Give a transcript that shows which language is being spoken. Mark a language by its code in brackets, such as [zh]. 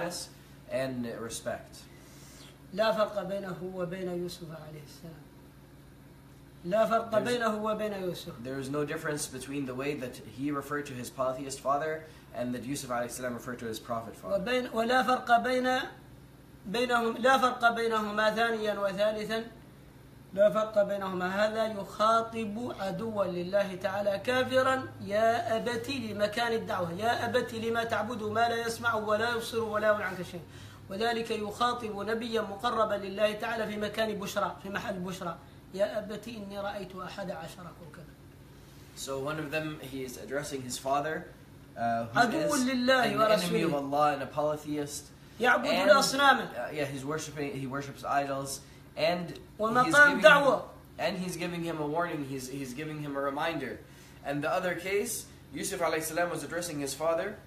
[en] High status and respect. [ar] لا فرق بينه وبين يوسف عليه السلام. لا فرق بينه وبين يوسف. [en] There is no difference between the way that he referred to his polytheist father and that Yusuf [ar] عليه السلام [en] referred to his prophet father. [ar] ولا فرق بينهم لا فرق بينهما ثانيا وثالثا لا فرق بينهما هذا يخاطب عدوا لله تعالى كافرا يا أبتي لمكان الدعوة يا أبتي لما تعبد ما لا يسمع ولا يبصر ولا يعلم عنك شيء وذلك يخاطب نبيا مقربا لله تعالى في مكان بشرى في محل بشرى. يا أبتي إني رأيت أحد عشر كوكبا. [en] So one of them, he is addressing his father, who is لله [ar] an ورسوله. [en] Enemy of Allah and a polytheist. [ar] يعبد الأصنام. [en] Yeah, he's worshiping. He worships idols, and [ar] ومقام دعوة. [en] And he's giving him a warning. He's giving him a reminder. And the other case, Yusuf [ar] عليه السلام [en] was addressing his father.